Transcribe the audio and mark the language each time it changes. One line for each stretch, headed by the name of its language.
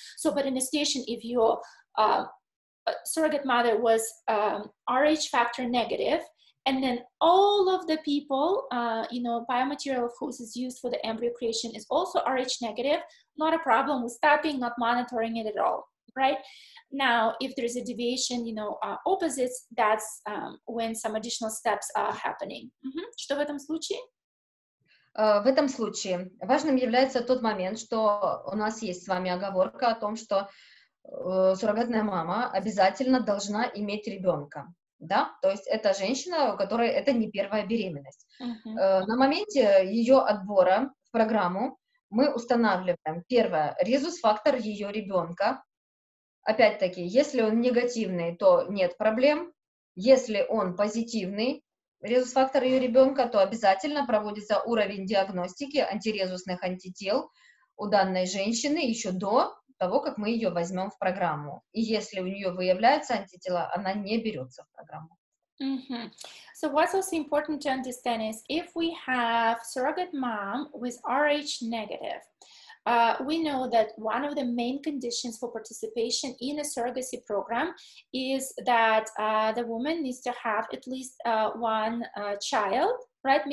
English: So, but in the station, if your surrogate mother was Rh factor negative, and then all of the people, you know, biomaterial whose is used for the embryo creation is also Rh negative, not a problem with stopping, not monitoring it at all, right? Now, if there is a deviation, you know, opposites, that's when some additional steps are happening.
Russian: Mm-hmm. Что в этом случае? В этом случае важным является тот момент, что у нас есть с вами оговорка о том, что суррогатная мама обязательно должна иметь ребенка, да? То есть это женщина, у которой это не первая беременность. На моменте ее отбора в программу мы устанавливаем, первое, резус-фактор ее ребенка. Опять-таки, если он негативный, то нет проблем. Если он позитивный, резус-фактор ее ребенка, то обязательно проводится уровень диагностики антирезусных антител у данной женщины еще до того, как мы ее возьмем в программу. И если у нее выявляются антитела, она не берется в программу. Mm-hmm.
English: So what's also important to understand is if we have surrogate mom with Rh negative, we know that one of the main conditions for participation in a surrogacy program is that the woman needs to have at least one child, right?